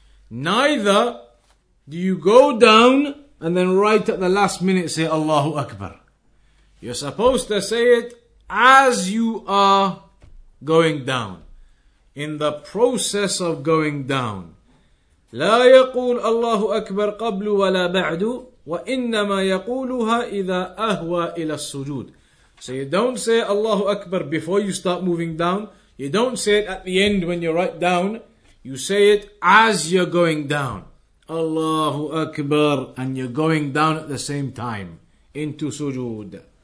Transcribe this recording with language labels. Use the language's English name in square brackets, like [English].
[English] Neither do you go down and then right at the last minute say Allahu Akbar. You're supposed to say it as you are going down. In the process of going down. [Arabic] لا يقول الله أكبر قبل ولا بعد وإنما يقولها إذا أهوى إلى السجود. [English] So you don't say Allahu Akbar before you start moving down. You don't say it at the end when you're right down. You say it as you're going down. Allahu Akbar, and you're going down at the same time into sujood.